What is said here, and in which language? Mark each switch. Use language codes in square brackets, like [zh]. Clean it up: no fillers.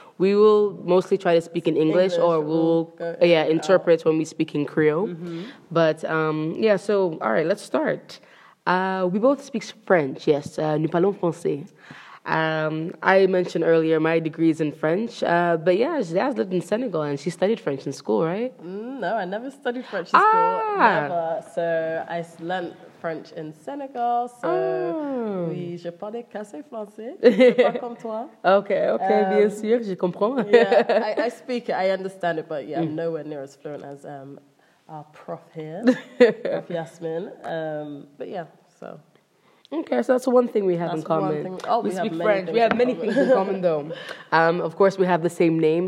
[en] We will mostly try to speak in English, or we'll interpret when we speak in Creole. Mm-hmm. But, yeah, so, all right, let's start. We both speak French, yes. [fr] Nous parlons français. [en] I mentioned earlier my degree is in French. But, yeah, Zaz lived in Senegal, and she studied French in school, right? No, I never studied French in school. Never. So I learned French in Senegal, so [fr] oui, je parle assez français, pas comme toi. Okay, bien sûr, je comprends. [en] Yeah, I speak it, I understand it, but yeah, I'm nowhere near as fluent as our prof here, prof Yasmin, but yeah, so. Okay, so that's one thing we have that's in common. We speak French. We have many things in common, though. Of course, we have the same name.